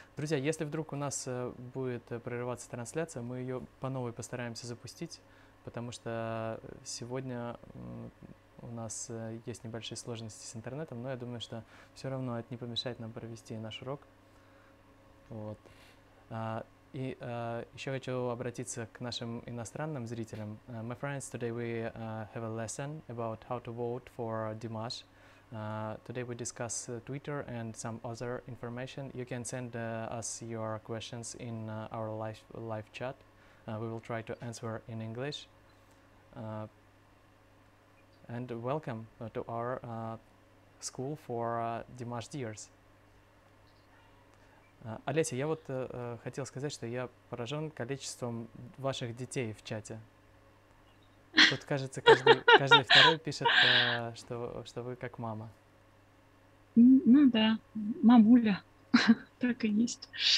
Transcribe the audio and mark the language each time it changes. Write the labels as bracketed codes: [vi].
[ru] Друзья, если вдруг у нас будет прерываться трансляция, мы ее по новой постараемся запустить, потому что сегодня... У нас есть небольшие сложности с интернетом, но я думаю, что все равно это не помешает нам провести наш урок. Вот. Еще хочу обратиться к нашим иностранным зрителям. [en] My friends, today we have a lesson about how to vote for Dimash. Today we discuss Twitter and some other information. You can send us your questions in our live chat. We will try to answer in English. And welcome to our school for Dimash Dears. [ru] Олеся, я вот хотел сказать, что я поражен количеством ваших детей в чате. Тут, кажется, каждый второй пишет, что вы как мама. Ну да, мамуля, так и есть.